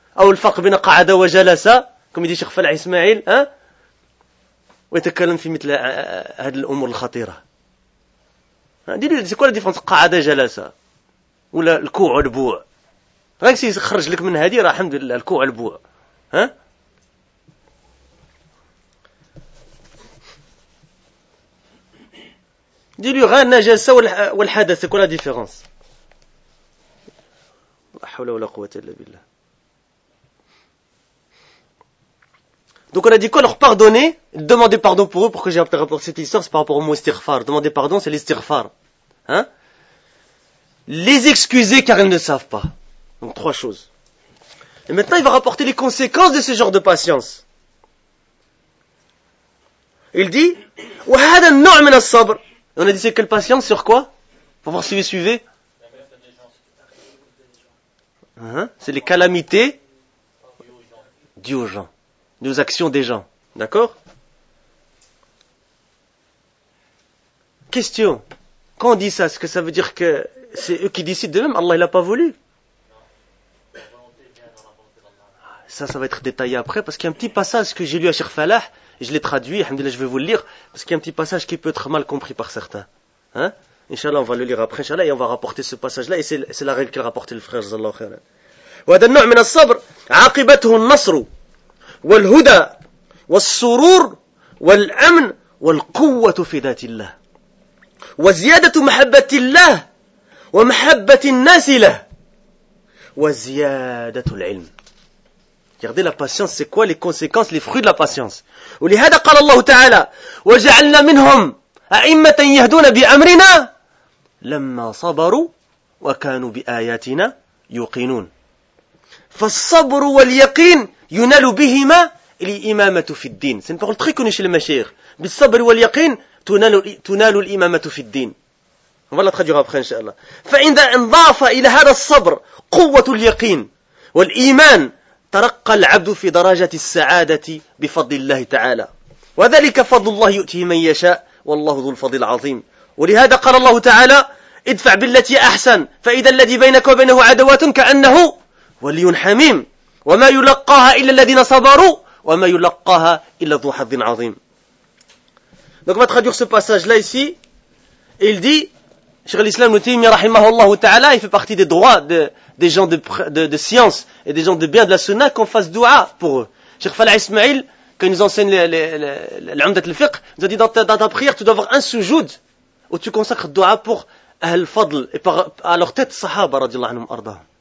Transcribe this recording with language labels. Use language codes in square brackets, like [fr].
[ar] أو الفرق بين قعدة وجلسة كما يدي شيخ فلاح إسماعيل ويتكلم في مثل هذه الأمور الخطيرة [fr] دي لي سي كوا لا ديفرنس [ar] قعدة جلسة ولا الكوع والبوع غير سي خرج لك من هذه راه الحمد لله الكوع والبوع ها دي لي غير النجاسة والحدث كوا لا ديفرنس لا حول ولا قوة إلا بالله. [fr] Donc on a dit quoi? Leur pardonner, demander pardon pour eux. Pourquoi j'ai rapporté cette histoire? C'est par rapport au mot istighfar. Demander pardon, c'est l'istighfar. Hein? Les excuser car ils ne savent pas. Donc trois choses. Et maintenant il va rapporter les conséquences de ce genre de patience. Il dit, [ar] وَهَذَا النَّوْعَ مِنَ الصَّبْرِ. [fr] On a dit c'est quelle patience? Sur quoi? Pour voir si vous suivez. Hein? C'est les calamités dues aux gens. Nos actions des gens. D'accord? Question. Quand on dit ça, est-ce que ça veut dire que c'est eux qui décident d'eux-mêmes? Allah, il n'a pas voulu. Ça va être détaillé après, parce qu'il y a un petit passage que j'ai lu à Cheikh Falah, et je l'ai traduit, je vais vous le lire, parce qu'il y a un petit passage qui peut être mal compris par certains. Hein? Inch'Allah, on va le lire après, Inch'Allah, et on va rapporter ce passage-là, et c'est la règle qu'a rapporté le frère, Jazallahu khair. [ar] وَهَذَا النَّوْعُ مِنَ الصَّبْرِ عَاقِبَتُهُ النَّصْرُ والهدى والسرور والأمن والقوة في ذات الله وزيادة محبة الله ومحبة الناس له وزيادة العلم. [fr] Regardez la patience, c'est quoi les conséquences, les fruits de la patience. [ar] ولهذا قال الله تعالى وجعلنا منهم أئمة يهدون بأمرنا لما صبروا وكانوا بآياتنا يوقنون فالصبر واليقين ينال بهما الإمامة في الدين. [fr] C'est une parole très connue chez les mashayikh. [ar] بالصبر واليقين تنال الإمامة في الدين. [fr] On va la traduire après, inshallah. [ar] فإذا انضاف إلى هذا الصبر قوة اليقين والإيمان ترقى العبد في درجة السعادة بفضل الله تعالى. وذلك فضل الله يؤتيه من يشاء والله ذو الفضل العظيم. ولهذا قال الله تعالى ادفع بالتي أحسن فإذا الذي بينك وبينه عداوة كأنه ولي حميم. وما يلقاها إلا الذين صبروا وما يلقاها إلا ذو حظ عظيم. [fr] Donc on va traduire ce passage là ici. Il dit Cheikh l'Islam Moutimi, rahimahullahu ta'ala, il fait partie des droits des gens de science et des gens de bien de la sunna qu'on fasse doua pour eux. Cheikh Fala Ismail, quand il nous enseigne l'Amdat al-Fiqh, nous a dit dans ta prière, tu dois avoir un sujoud où tu consacres doua pour Ahl Fadl et à leur tête, Sahaba, radiallahu anhum, arda.